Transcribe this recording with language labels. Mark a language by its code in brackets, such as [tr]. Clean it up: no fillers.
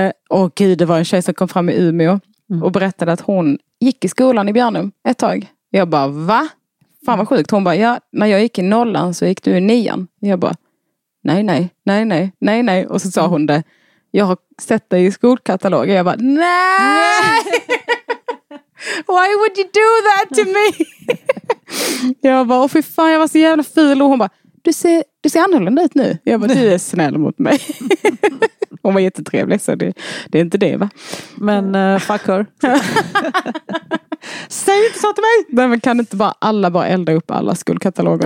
[sv] Och gud, det var en tjej som kom fram i Umeå. Mm. Och berättade att hon gick i skolan i Björnum ett tag. Jag bara, va? Fan vad sjukt. Hon bara, ja, när jag gick i nollan så gick du i nian. Jag bara, nej. Och så sa hon det. Jag har sett dig i skolkatalogen. Jag bara, nej! [en] Why would you do that to me? [sv] Jag bara, fy fan, jag var så jävla ful. Och hon bara, du ser annorlunda ut nu. Jag bara, du är snäll mot mig. Hon var jättetrevlig, så det är inte det, va? Men [en] fuck her. [sv] Säg inte så till mig! Nej, men kan inte bara alla bara elda upp alla skuldkataloger?